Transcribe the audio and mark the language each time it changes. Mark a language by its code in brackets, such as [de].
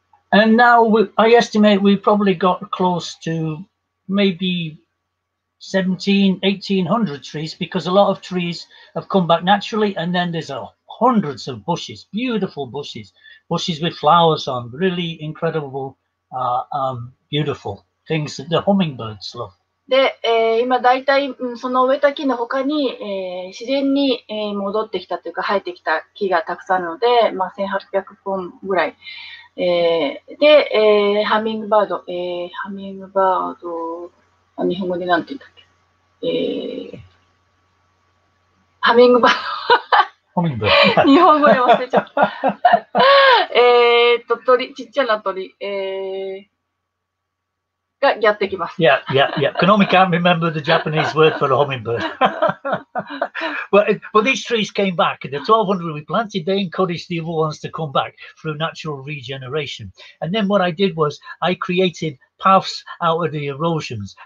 [en] And now I estimate we probably got close to maybe 1800 trees because a lot of trees have come back naturally and then there's a hundreds of bushes, beautiful bushes, bushes with flowers on, really incredible, beautiful things that the hummingbirds love. [ja] で、今だいたいその植えた木の他に、自然に戻ってきたというか生えてきた木がたくさんあるので、まあ1800本ぐらい、で、ハミングバード、ハミングバード、日本語でなんて言ったっけ、ハミングバード、ハミングバード、日本語で忘れちゃった。鳥、ちっちゃな鳥、がやってきます。 [en] Yeah, yeah, yeah. Konomi can't remember the Japanese word for a hummingbird. well, these trees came back. The 1200 we planted, they encouraged the other ones to come back through natural regeneration. And then what I did was I created paths out of the erosions.